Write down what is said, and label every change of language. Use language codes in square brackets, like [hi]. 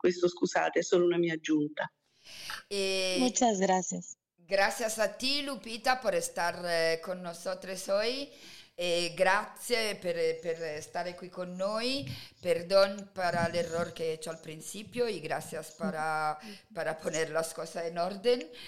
[it] Questo, scusate, è solo una mia aggiunta. [es] Muchas gracias. [it] Grazie a te, [es] Lupita, por estar con nosotros hoy. [it] E grazie per stare qui con noi. [es] Perdón para el error que he hecho al principio y gracias para poner las cosas en orden.